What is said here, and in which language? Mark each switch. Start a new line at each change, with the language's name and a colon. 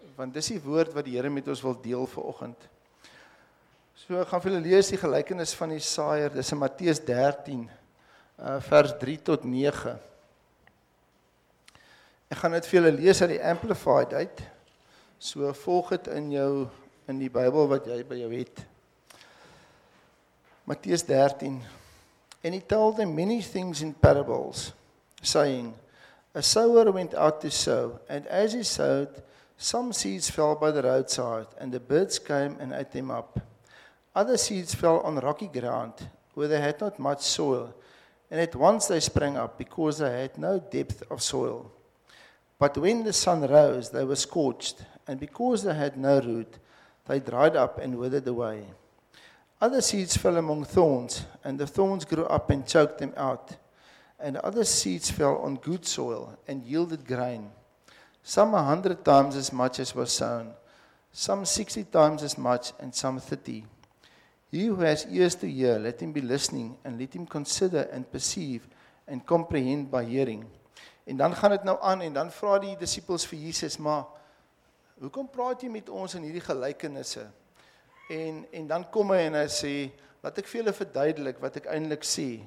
Afrikaans: Want dis die woord wat die Here met ons wil deel vanoggend. So ek gaan vir julle lees die gelykenis van die saaier. Dis in Matteus 13 vers 3 tot 9. Ek gaan dit vir julle lees uit die Amplified uit. So volg dit in jou in die Bybel wat jy by jou het. Matteus 13.
English: And he told them many things in parables, saying, a sower went out to sow, and as he sowed, Some seeds fell by the roadside, and the birds came and ate them up. Other seeds fell on rocky ground, where they had not much soil, and at once they sprang up, because they had no depth of soil. But when the sun rose, they were scorched, and because they had no root, they dried up and withered away. Other seeds fell among thorns, and the thorns grew up and choked them out. And other seeds fell on good soil and yielded grain, some 100 times as much as was sown, some 60 times as much, and some 30. He who has ears to hear, let him be listening, and let him consider and perceive and comprehend by hearing.
Afrikaans: En dan gaan het nou aan, en dan vra die disciples vir Jesus, maar, hoekom praat jy met ons in hierdie gelykenisse? En dan kom hy en hy sê, laat ek vir julle verduidelik wat ek eintlik sê.